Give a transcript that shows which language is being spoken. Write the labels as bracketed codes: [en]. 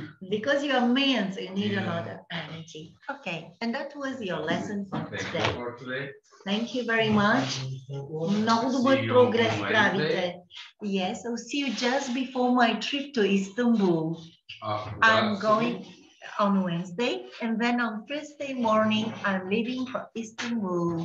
[en] Because you are men, so you need a lot of energy. Okay, and that was your lesson for today. Thank you very much. [bg] Много добър прогрес правите. [en] Yes, I'll see you just before my trip to Istanbul. I'm going on Wednesday, and then on Thursday morning, I'm leaving for Istanbul.